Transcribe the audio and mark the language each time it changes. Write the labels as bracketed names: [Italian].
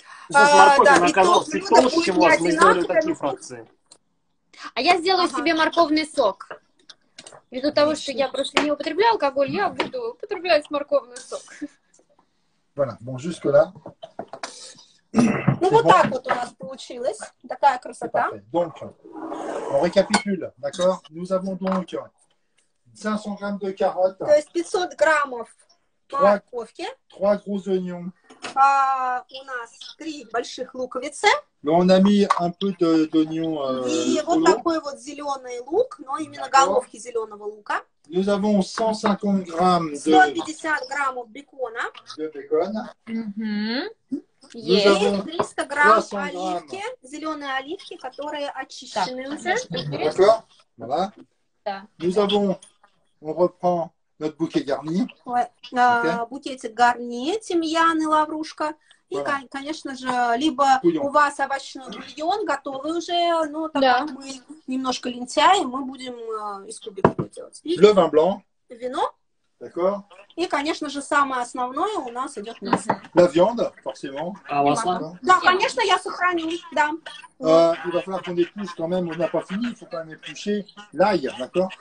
[Russian] Морковь оказалась и толще, чем у вас. Мы сделали такие фракции. А я сделаю себе морковный сок. Ввиду того, что я просто не употребляю алкоголь, я буду употреблять морковный сок. [French] Voilà. Bon, jusque là. [Russian] Ну, вот так вот у нас получилось. Такая красота. [French] Donc, on récapitule, d'accord? Nous avons donc 500 грамм de carottes. [Russian] То есть 500 граммов морковки. [French] 3 gros oignons. [Russian] У нас 3 больших луковицы. [French] Mais on a mis un peu d'oignon. [Russian] И вот такой вот зеленый лук, но именно головки зеленого лука. [French] Nous avons 150 grammes de. [Russian] 150 граммов бекона. [French] De bacon. [Russian] Есть 300 грамм оливки, зеленые оливки, которые очищены уже. [French] D'accord. Voilà. [Russian] Да. [French] Nous avons, on reprend notre bouquet garni. [Russian] Букетик гарни, тимьян и лаврушка. И, конечно же, либо у вас овощной бульон готовый уже, но так да. Мы немножко лентяи, мы будем из кубиков делать. [French] Le vin blanc. [Russian] Вино. [French] D'accord. [Russian] И, конечно же, самое основное у нас идет мясо. [French] La viande, forcément. [Russian] А масло? Да, конечно, я сохраню, да. [French] Il va falloir qu'on épluche quand même, on n'a pas fini, il faut quand même éplucher l'ail, d'accord?